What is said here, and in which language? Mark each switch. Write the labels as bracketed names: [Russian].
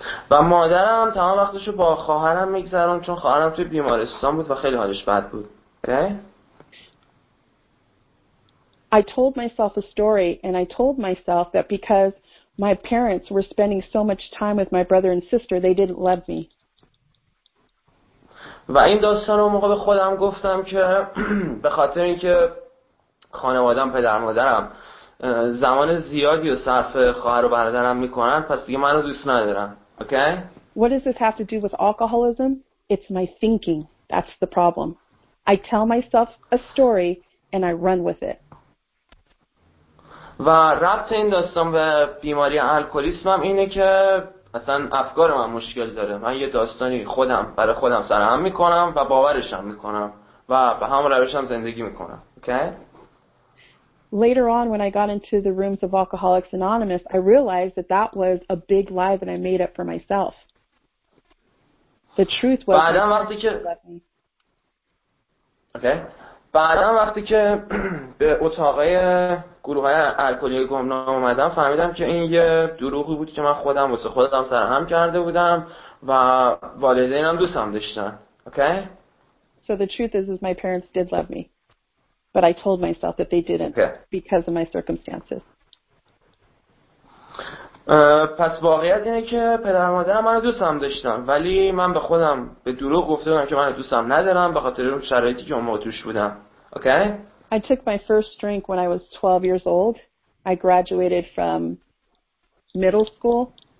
[Persian] و مادرم تمام وقتش رو با خواهرم میگذرون چون خواهرم توی بیمارستان بود و خیلی حالش بد بود. [English] Okay. I told myself a story and I told myself that because my parents were spending so much time with my brother and sister, they didn't love me. [Persian] و این داستان رو موقع به خودم گفتم که به خاطر اینکه خانوادم پدر مادرم زمان زیادی رو صرف خواهر و برادرم میکنن، پس دیگه منو دوست ندارن. [English] Okay? What does this have to do with alcoholism? It's my thinking. That's the problem. I tell myself a story and I run with it. [Persian] و ربط این داستان به بیماری الکلیسم هم اینه که اصلا افکار من مشکل داره. من یه داستانی خودم برای خودم سرهم میکنم و باورشم میکنم و به همون روشم زندگی میکنم. [English] Okay? Later on when I got into the rooms of Alcoholics Anonymous, I realized that that was a big lie that I made up for myself. The truth was [Persian] بعدم وقتی که Okay. بعدم وقتی که به اتاقه گروه های الکلی گمنام اومدم فهمیدم که این یه دروغی بود که من خودم واسه خودم سرهم کرده بودم و والدینم دوستم داشتن. [English] Okay? So the truth is my parents did love me. But I told myself that they didn't. Okay. Because of my circumstances. [Persian] پس واقعیت اینه که پدر مادرم من دوستم داشتن ولی من به خودم به دروغ گفته بودم که من دوستم ندارم به خاطر اون شرایطی که اون موقع توش بودم. [English] Okay? I took my first drink when I was 12 years old. I graduated from middle school.